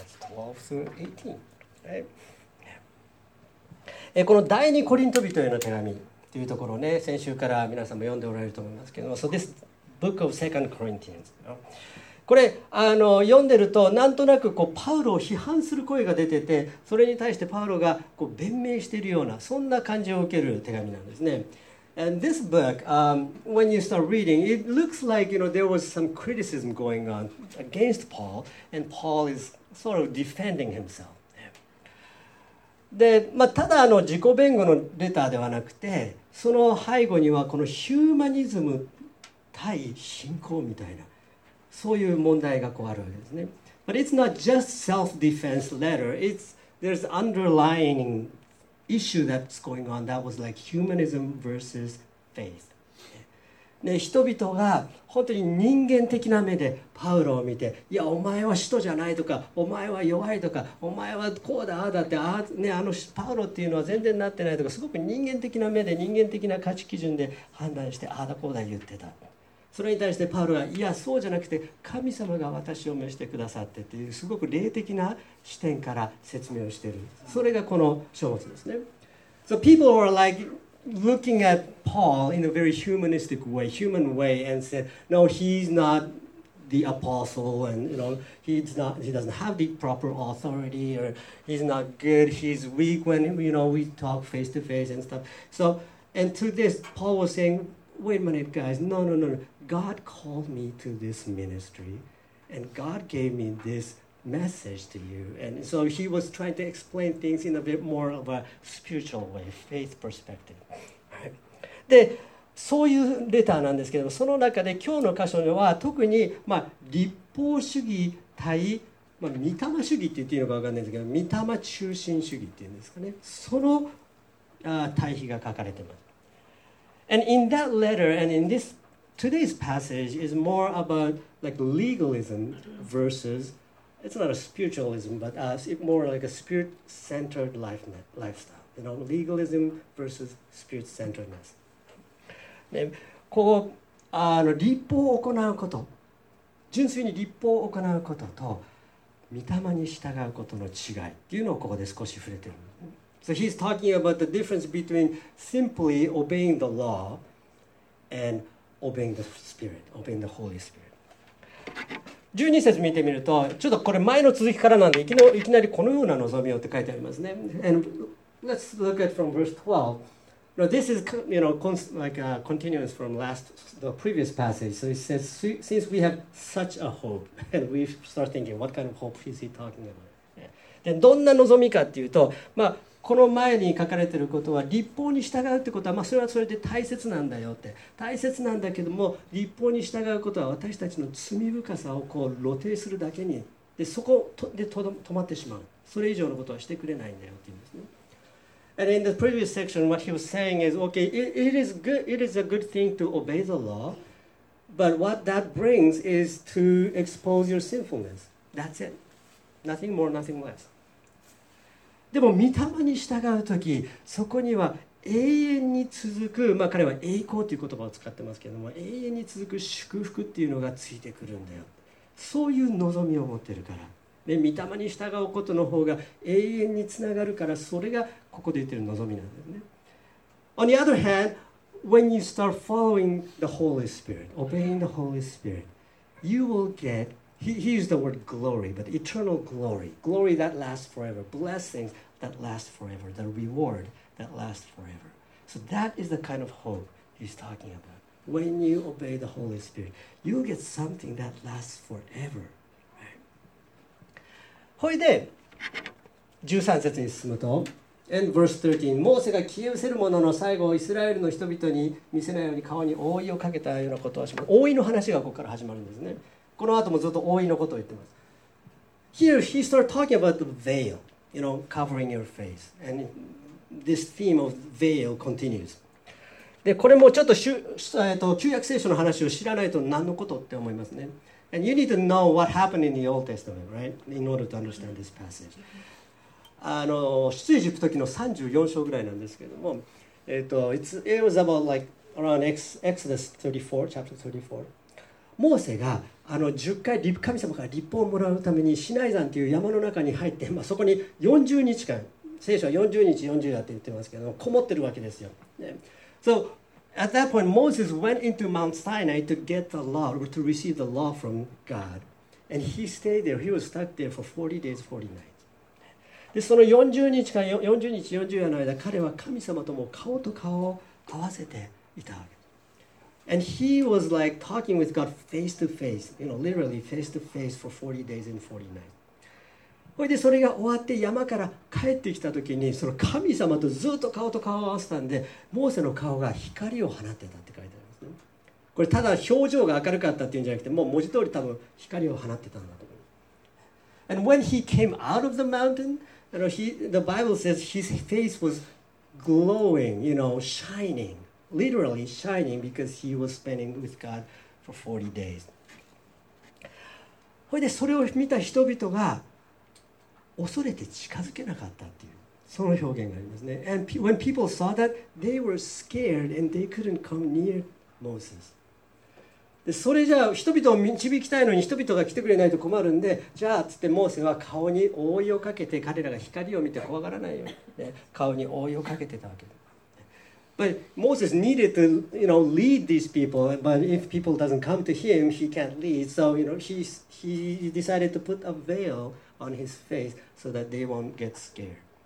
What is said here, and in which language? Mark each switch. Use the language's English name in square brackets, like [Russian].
[Japanese] この第二コリント人への手紙というところをね、先週から皆さんも読んでおられると思いますけども、 [English] So this book of Second Corinthians。 [Japanese] これ読んでるとなんとなくこうパウロを批判する声が出てて、それに対してパウロがこう弁明しているようなそんな感じを受ける手紙なんですね。 [English] And this book, when you start reading, it looks like you know there was some criticism going on against Paul, and Paul is sort of defending himself. [Japanese] で、まあ、ただ自己弁護のレターではなくて、その背後にはこのヒューマニズム対信仰みたいな、そういう問題がこうあるわけですね。 [English] But it's not just self-defense letter. There's underlying issue that's going on. That was like humanism versus faith. [Japanese] ね、人々が本当に人間的な目でパウロを見て、いやお前は使徒じゃないとか、お前は弱いとか、お前はこうだああだって、ああね、パウロっていうのは全然なってないとか、すごく人間的な目で人間的な価値基準で判断してああだこうだ言ってた。それに対してパウロは、いやそうじゃなくて神様が私を召してくださってっていう、すごく霊的な視点から説明をしている。それがこの書物ですね。 [English] So people were like looking at Paul in a very humanistic way, human way, and said, no, he's not the apostle, and you know, he doesn't have the proper authority, or he's not good, he's weak when you know we talk face to face and stuff. So and to this, Paul was saying, wait a minute, guys, no. God called me to this ministry, and God gave me this message to you. And so he was trying to explain things in a bit more of a spiritual way, faith perspective. [Japanese] で、そういうレターなんですけども、その中で今日の箇所では特に、まあ、立法主義対、まあ、御霊主義って言っていいのか分かんないんですけど、御霊中心主義っていうんですかね、その対比が書かれてます。 [English] And in that letter and in thisToday's passage is more about like legalism versus, it's not a spiritualism, but more like a spirit-centered lifestyle. You know, legalism versus spirit-centeredness. [Japanese] ね、ここ、立法を行うこと、純粋に立法を行うことと、御霊に従うことの違いっていうのをここで少し触れてる。 [English] So he's talking about the difference between simply obeying the law andobeying the Spirit, obeying the Holy Spirit. [Japanese] 12節見てみると、ちょっとこれ前の続きからなんで、いきなりこのような望みをって書いてありますね。 [English] And let's look at from verse 12. Now this is, you know, like a continuous from the previous passage. So it says, since we have such a hope, and we start thinking, what kind of hope is he talking about? [Japanese] で、どんな望みかっていうと、まあ、この前に書かれていることは立法に従うってことは、まあ、それはそれで大切なんだよって、大切なんだけども立法に従うことは私たちの罪深さをこう露呈するだけに、でそこで止まってしまう、それ以上のことはしてくれないんだよって言うんですね。 [English] And in the previous section what he was saying is okay, it is a good thing to obey the law, but what that brings is to expose your sinfulness. That's it. Nothing more, nothing less. [Japanese] でも御霊に従うとき、そこには永遠に続く、まあ、彼は栄光という言葉を使ってますけれども、永遠に続く祝福っていうのがついてくるんだよ。そういう望みを持ってるから、ね、御霊に従うことの方が永遠につながるから、それがここで言ってる望みなんだよね。 [English] On the other hand, when you start following the Holy Spirit, obeying the Holy Spirit, you will get, he used the word glory, but eternal glory, glory that lasts forever, blessings that last forever, the reward that lasts forever. So that is the kind of hope he's talking about. When you obey the Holy Spirit, you'll get something that lasts forever. [Japanese] ほいで、13節に進むと、 [English] And verse 13, [Japanese] モーセが消え失せる者の最後をイスラエルの人々に見せないように川に覆いをかけたようなことをします。覆いの話がここから始まるんですね。この後もずっと覆いのことを言ってます。 [English] Here he started talking about the veil, you know, covering your face. And this theme of veil continues. [Japanese] で、これもちょっと旧約聖書の話を知らないと何のことって思いますね。 [English] And you need to know what happened in the Old Testament, right? In order to understand this passage. [Japanese] 出エジプト記の34章ぐらいなんですけども、 [English] It was about like around Exodus 34, chapter 34. [Japanese] モーセが10回神様から立法をもらうためにシナイ山という山の中に入って、まあ、そこに40日間、聖書は40日40夜って言ってますけども、こもってるわけですよ。 [English] ね、so at that point, Moses went into Mount Sinai to get the law, to receive the law from God. And he stayed there. He was stuck there for 40 days, 40 nights. [Japanese] でその40日間、40日40夜の間、彼は神様とも顔と顔を合わせていたわけ。 [English] And he was like talking with God face to face, you know, literally face to face for 40 days and 40 nights. [Japanese] それでそれが終わって山から帰ってきたときに、その神様とずっと顔と顔を合わせたんで、モーセの顔が光を放ってたって書いてあるんですね。これただ表情が明るかったっていうんじゃなくて、もう文字通り多分光を放ってたんだと。 [English] And when he came out of the mountain, you know, the Bible says his face was glowing, you know, shining, literally shining because he was spending with God for 40 days. [Japanese] それでそれを見た人々が恐れて近づけなかったっていう、その表現がありますね。 [English] And when people saw that, they were scared and they couldn't come near Moses. [Japanese] でそれじゃあ人々を導きたいのに人々が来てくれないと困るんで、じゃあつってモーセは顔に覆いをかけて、彼らが光を見て怖がらないように、ね、顔に覆いをかけてたわけで。 [English] But Moses needed to, you know, lead these people, but if people doesn't come to him, he can't lead. So, you know, he decided to put a veil on his face so that they won't get scared.